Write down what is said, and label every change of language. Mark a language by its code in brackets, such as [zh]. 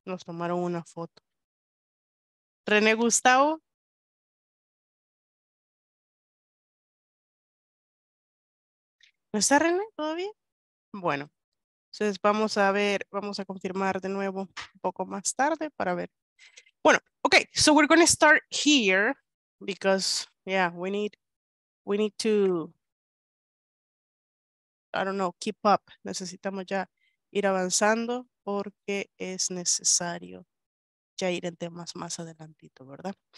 [es] Nos tomaron una foto. René Gustavo. ¿No está René todavía? Bueno, entonces vamos a ver, vamos a confirmar de nuevo un poco más tarde para ver. Bueno, [en] ok, so we're going to start here because, yeah, we need to, I don't know, keep up. [es] Necesitamos ya ir avanzando porque es necesario ya ir en temas más adelantito, ¿verdad?